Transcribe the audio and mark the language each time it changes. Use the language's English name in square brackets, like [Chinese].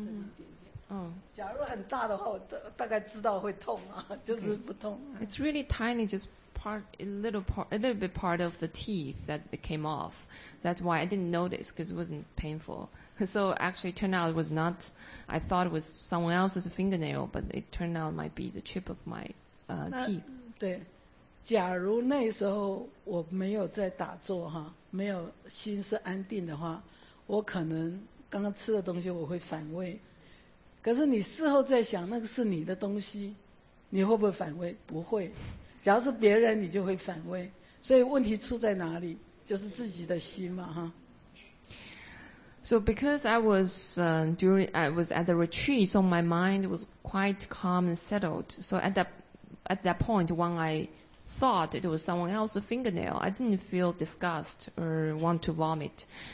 [Chinese] 一个牙齿大概就一个角落，一点点。假如很大的话，大概知道会痛啊，就是不痛。 [English] Okay. It's really tiny, just a little bit part of the teeth that came off. That's why I didn't notice because it wasn't painful. So actually, it turned out it was not. I thought it was someone else's fingernail, but it turned out it might be the chip of my teeth. [Chinese] 对，假如那时候我没有在打坐哈，没有心是安定的话。我可能刚刚吃的东西我会反胃，可是你事后在想那个是你的东西，你会不会反胃？不会。假如是别人，你就会反胃。所以问题出在哪里？就是自己的心嘛，哈。 [English] So because I was at the retreat, so my mind was quite calm and settled. So at that point, when I thought it was someone else's fingernail, I didn't feel disgust or want to vomit.